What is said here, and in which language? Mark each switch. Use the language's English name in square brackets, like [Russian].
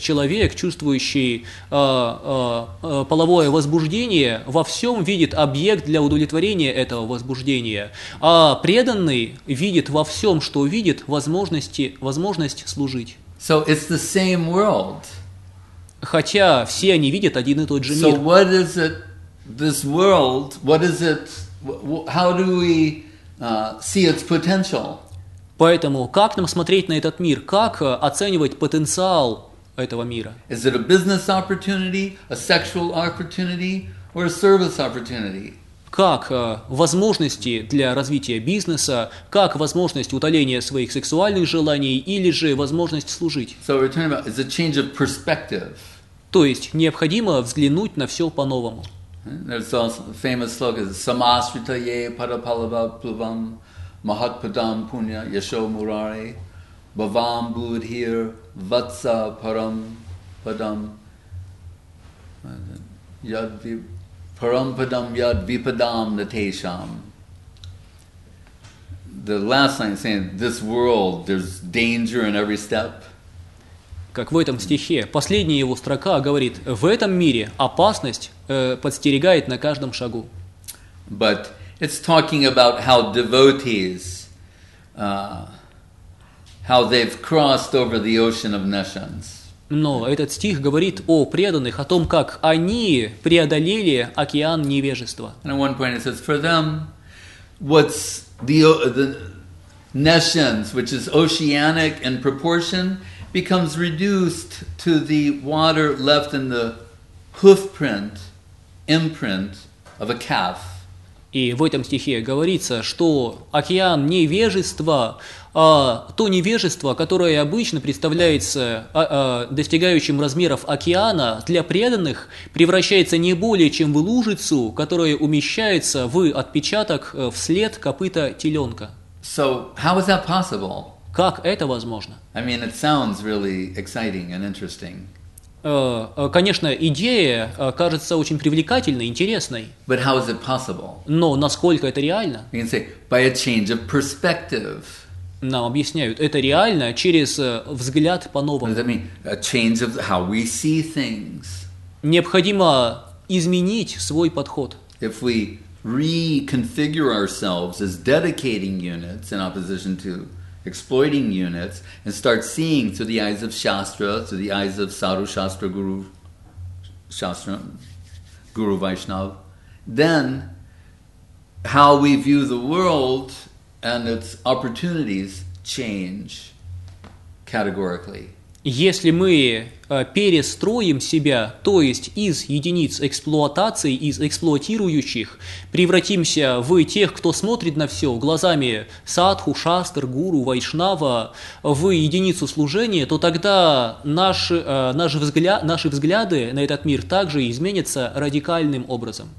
[Russian] Человек, чувствующий половое возбуждение, во всем видит объект для удовлетворения этого возбуждения. А преданный видит во всем, что видит, возможность служить. [English] So it's the same world. [Russian] Хотя все они видят один и тот же мир. [English] So what is it, this world, what is it, how do we see its potential? [Russian] Поэтому как нам смотреть на этот мир? Как оценивать потенциал этого мира? [English] Is it a business opportunity, a sexual opportunity, or a service opportunity? [Russian] Как возможности для развития бизнеса, как возможность утоления своих сексуальных желаний или же возможность служить. [English] So we're talking about it's a change of perspective. [Russian] То есть необходимо взглянуть на все по-новому. [English] There's also a famous slogan: [Sanskrit] Samasritaye Parapalabhavam Mahatpadam Punya Yasho Murari Bhavam Budhir Vatsa Param Padam Yad Param Padam Yad Vipadam Natesham. [English] The last line saying, this world, there's danger in every step. [Russian] Как в этом стихе, последняя его строка говорит, в этом мире опасность подстерегает на каждом шагу. [English] But it's talking about how devotees, how they've crossed over the ocean of nations. [Russian] Но этот стих говорит о преданных, о том, как они преодолели океан невежества. [English] And at one point it says, for them, what's the nations, which is oceanic in proportion, becomes reduced to the water left in the hoof print, imprint of a calf. [Russian] И в этом стихе говорится, что океан невежества, то невежество, которое обычно представляется достигающим размеров океана, для преданных превращается не более чем в лужицу, которая умещается в отпечаток вслед копыта теленка. [English] So how is that possible? [Russian] Как это возможно? [English] I mean, it sounds really exciting and interesting. [Russian] Конечно, идея кажется очень привлекательной, интересной. [English] But how is it possible? [Russian] Но насколько это реально? [English] You can say, by a change of perspective. [Russian] Нам объясняют, это реально через взгляд по-новому. [English] What does that mean? A change of how we see things. [Russian] Необходимо изменить свой подход. [English] If we reconfigure ourselves as dedicating units in opposition to exploiting units and start seeing through the eyes of Shastra, through the eyes of Sadhu Shastra Guru Shastra Guru Vaishnav, then how we view the world and its opportunities change categorically. [Russian] Если мы перестроим себя, то есть из единиц эксплуатации, из эксплуатирующих, превратимся в тех, кто смотрит на все глазами садху, шастр, гуру, вайшнава, в единицу служения, то тогда наши взгляды на этот мир также изменятся радикальным образом.